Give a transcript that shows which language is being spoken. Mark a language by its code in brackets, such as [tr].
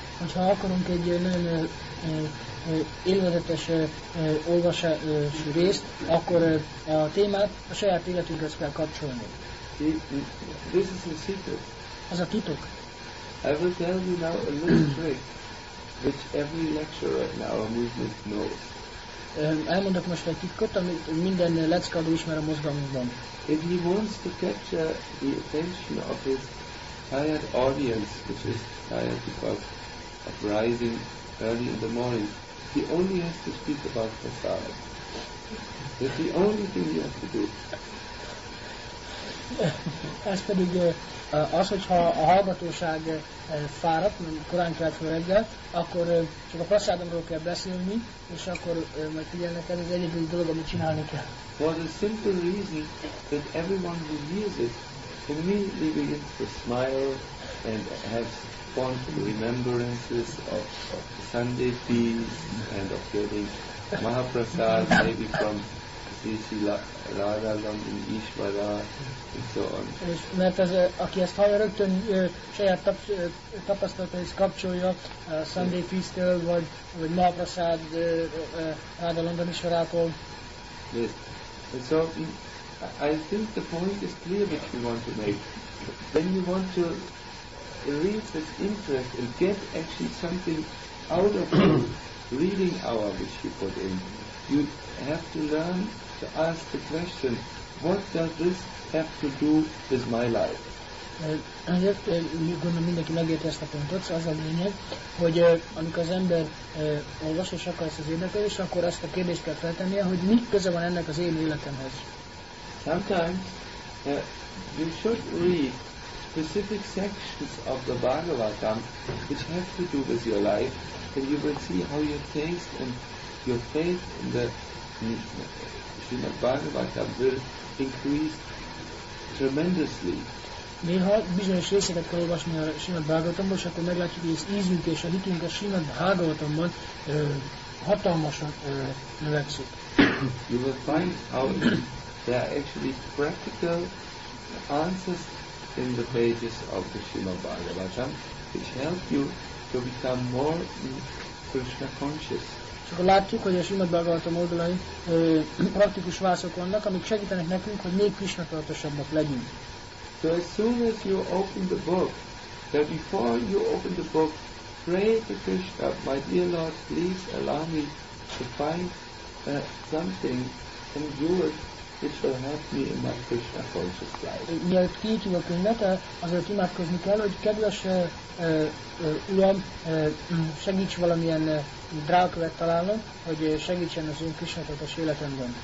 [hu] Hogyha akarunk egy nagyon élvezetes olvasás részt, akkor a témát a saját életünkhez kell kapcsolni. [en] This is a secret. [hu] Ez a titok. [en] I will tell you now a little trick which every lecturer in our movement knows. [hu] Elmondok most egy titkot, amit minden leckadó ismer a mozgalmunkban. [en] If he wants to capture the attention of his tired audience, which is tired because of rising early in the morning, he only has to speak about prasada. That's the only thing he has to do. [hu] Ez pedig az, hogyha a hallgatóság fáradt, korán kelt fel reggel, akkor csak a prasádamról kell beszélni, és akkor majd figyelnek el, ez egyébként dolog, amit csinálni kell. [en] For the simple reason that everyone who hears it immediately begins to smile and have fond remembrances of Sunday feasts and of getting Mahaprasad maybe from [hu] Sisi Rádában, mint Ismara, és [en] so on. [hu] És mert az, aki ezt hallja, rögtön saját tapasztalatait kapcsolja a Sunday Feast-től, vagy Mahaprasad Rádában, Ismarától. [en] Yes. And so, I think the point is clear which we want to make. When you want to reach this interest and get actually something out of reading hour which you put in, you have to learn to ask the question, what does this have to do with my life? [hu] Ezért gondolom mindenki megérti ezt a pontot, az a lényeg, hogy amikor az ember olvas és akar ezt az érdeklődést, akkor azt a kérdést kell feltennie, hogy mi köze van ennek az én életemhez. [en] Sometimes you should read specific sections of the Bhagavatam which have to do with your life, and you will see how your taste and your faith in the Srimad Bhagavatam will increase tremendously. [hu] Néha bizonyos részeket kell olvasni a Srimad Bhagavatamban, és akkor meglátjuk, hogy az ízünk és a hitünk a Srimad Bhagavatamban hatalmasan növekszik. [en] You will find how there are actually practical answers in the pages of the Srimad Bhagavatam which help you to become more Krishna conscious. [hu] És akkor látjuk, hogy a Srimad Bhagavatam oldalai praktikus válaszok vannak, amik segítenek nekünk, hogy még Krishna tudatosabbak legyünk. [en] So as soon as you open the book, before you open the book, pray to Krishna, my dear Lord, please allow me to find something and do it which will help me in my Krishna conscious life. [hu] Mielőtt kinyitjuk a könyvet, azért imádkozni kell, hogy kedves Uram, segíts valamilyen drágkövet találnom, hogy segítsen az én Krishna tudatos életemben.